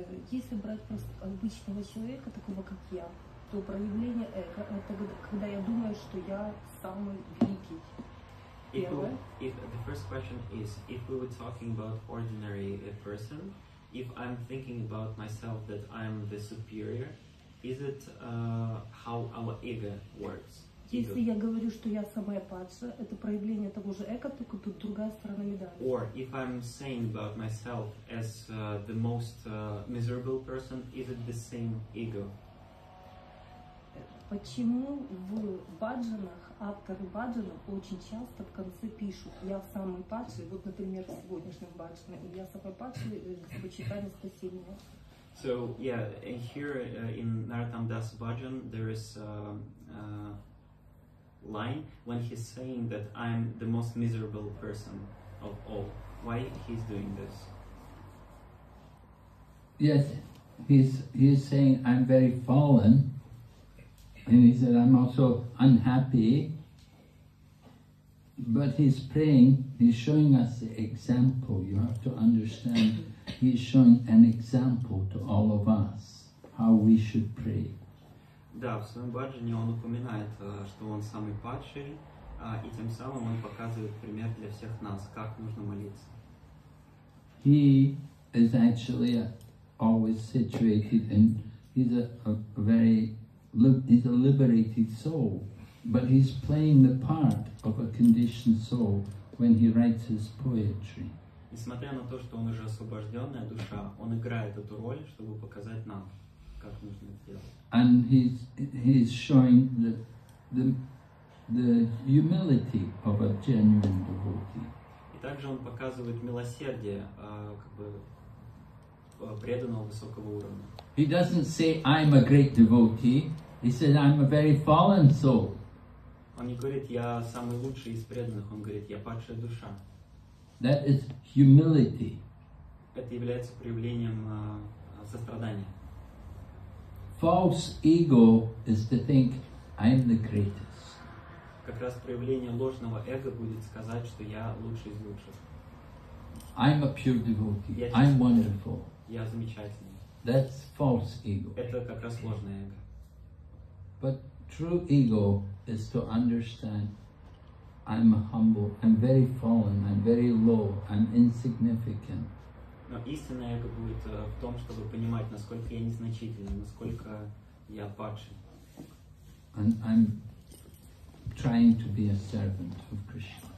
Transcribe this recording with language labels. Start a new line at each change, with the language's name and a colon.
Russian: Если брать просто обычного человека, такого как я, то проявление эго – это когда я думаю, что я самый великий.
English: If the first question is, if we were talking about ordinary person, if I'm thinking about myself that I'm the superior, is it how our ego works?
Russian: Если я говорю, что я самая падшая, это проявление того же эго, только тут другая сторона медали.
English: Or if I'm saying about myself as the most miserable person, is it the same ego?
Russian: Почему в баджанах, авторы баджана очень часто в конце пишут «я самый падший», вот, например, в сегодняшнем баджане, «я самый падший», «господь Читания, спаси меня».
English: So, yeah, here in Narottam Das Bhajan, there is a line when he's saying that I'm the most miserable person of all. Why he's doing this? Yes, he's saying I'm very fallen. And he said, I'm also unhappy, but he's praying, he's showing us the example. You have to understand, he's showing an example to all of us, how we should pray.
Russian: Да, в своем баджане он упоминает, что он самый падший, и тем самым он показывает пример для всех нас, как нужно молиться.
English: He is actually always situated in, he's a very... He's a liberated soul, but he's playing the part of a conditioned soul when he writes his poetry.
Russian: Несмотря на то, что он уже освобожденная душа, он играет эту роль, чтобы показать нам, как нужно это делать.
English: And he's showing the humility of a genuine devotee.
Russian: И также он показывает милосердие, как бы преданного высокого уровня.
English: He doesn't say, "I'm a great devotee." He said, "I'm a very fallen soul."
Russian: Он не говорит, я самый лучший из преданных. Он говорит, я падшая душа.
English: That is humility.
Russian: Это является проявлением сострадания.
English: False ego is to think I'm the greatest.
Russian: Как раз проявление ложного эго будет сказать, что я лучший из лучших.
English: I'm a pure devotee. I'm wonderful.
Russian: Я замечательный.
English: That's false ego.
Russian: Это как раз ложное эго.
English: But true ego is to understand I'm humble, I'm very fallen, I'm very low, I'm insignificant.
Russian: Но истинное эго будет в том, чтобы понимать, насколько я незначительный, насколько я падший.
English: And I'm trying to be a servant of Krishna.